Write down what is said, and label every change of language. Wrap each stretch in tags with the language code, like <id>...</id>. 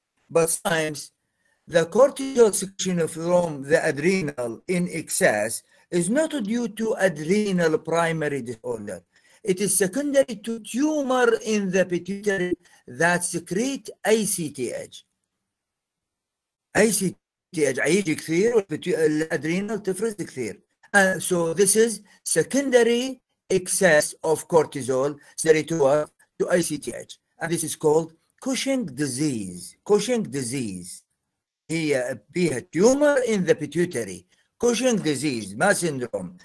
<en>But sometimes the cortisol secretion from the adrenal in excess is not due to adrenal primary disorder. It is secondary to tumor in the pituitary that secrete ACTH.</en> <ar>ACTH عيج كثير والأدرينال تفرز كثير.</ar> <en>So this is secondary excess of cortisol secondary to ACTH. And this is called Cushing disease. Cushing disease.</en> <ar>هي بها</ar> <en>tumor in the pituitary. Cushing disease, ما syndrome.</en>